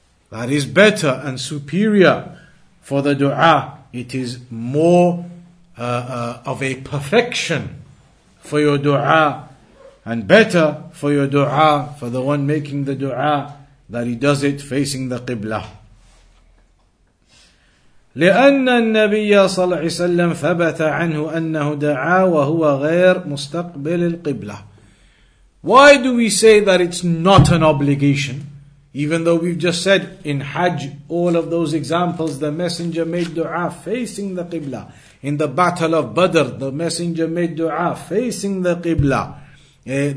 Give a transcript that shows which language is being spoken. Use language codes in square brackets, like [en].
[en] That is better and superior for the dua. It is more of a perfection for your dua, and better for your dua, for the one making the dua, that he does it facing the Qibla. [ar] لأن النبي صلى الله عليه وسلم ثبت عنه أنه دعا وهو غير مستقبل القبلة. [en] Why do we say that it's not an obligation? Even though we've just said in Hajj, all of those examples, the messenger made dua facing the Qibla. In the battle of Badr, the messenger made dua facing the Qibla.